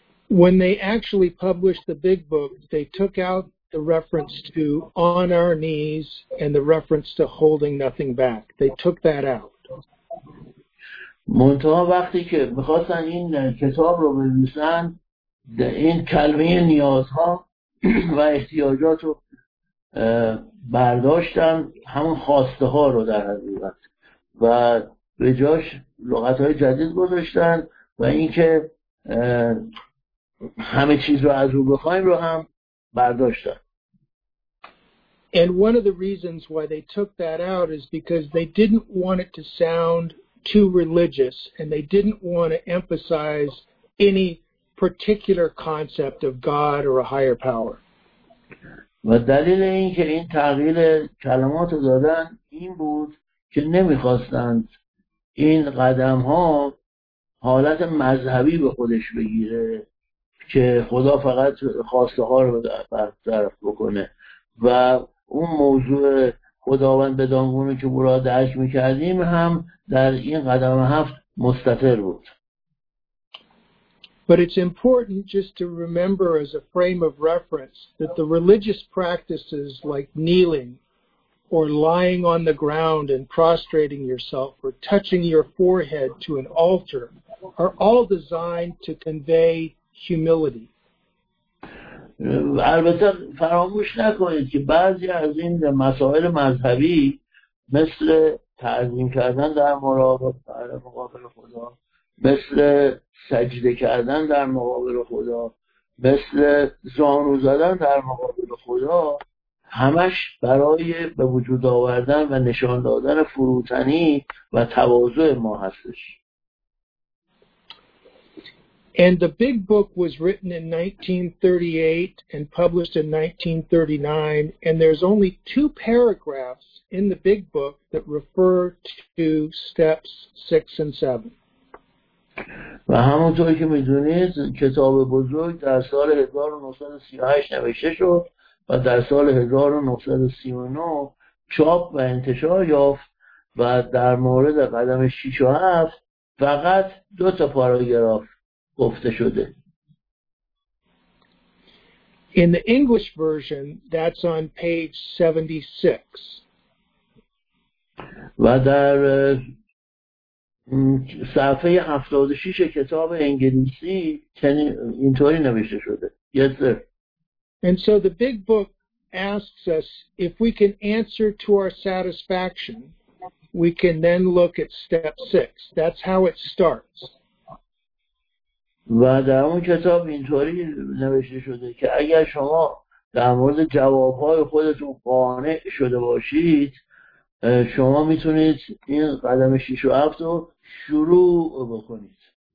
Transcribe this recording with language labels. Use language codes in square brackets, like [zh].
[en] When they actually published the big book, they took out the reference to on our knees and the reference to holding nothing back. They took that out. [fa] منتها وقتی که می‌خواستن این کتاب رو بنویسن، این کلمه نیازها و احتیاجات رو برداشتن، همون خواسته ها رو در حقیقت، و به جاش لغت های جدید گذاشتن، و اینکه همه چیز رو از او بخوایم رو هم برداشتن. [en] And one of the reasons why they took that out is because they didn't want it to sound too religious, and they didn't want to emphasize any particular concept of God or a higher power. [fa] و دلیل اینکه این تغییر کلمات رو دادن این بود که نمیخواستند این قدم ها حالت مذهبی به خودش بگیره که خدا فقط خواسته ها رو برطرف بکنه، و اون موضوع خداوند بدانگونه که برا درش میکردیم هم در این قدم هفت مستطر بود. [en] But it's important just to remember as a frame of reference that the religious practices like kneeling or lying on the ground and prostrating yourself or touching your forehead to an altar are all designed to convey humility. [fa] البته فراموش نکنید که بعضی از این مسائل مذهبی مثل تعظیم کردن در مقابل خدا، مثل سجده کردن در مقابل خدا، مثل زانو زدن در مقابل خدا، همش برای به وجود آوردن و نشان دادن فروتنی و تواضع ما هستش. [en] And the big book was written in 1938 and published in 1939, and there's only two paragraphs in the big book that refer to steps 6 and 7. [fa] و همونطور که میدونید کتاب بزرگ در سال 1938 نوشته شد و در سال 1939 چاپ و انتشار یافت، و در مورد قدم 6 و 7 فقط دو تا پاراگراف گفته شده. [en] In the English version that's on page 76. [fa] و در صفحه 76 کتاب انگلیسی اینطوری نوشته شده. [en] Yes, sir. And so the big book asks us if we can answer to our satisfaction, we can then look at step 6. That's how it starts. [fa] و در اون کتاب اینطوری نوشته شده که اگر شما در مورد جوابهای خودتون قانع شده باشید، شما میتونید این قدم 6 و 7 رو شروع بکنید.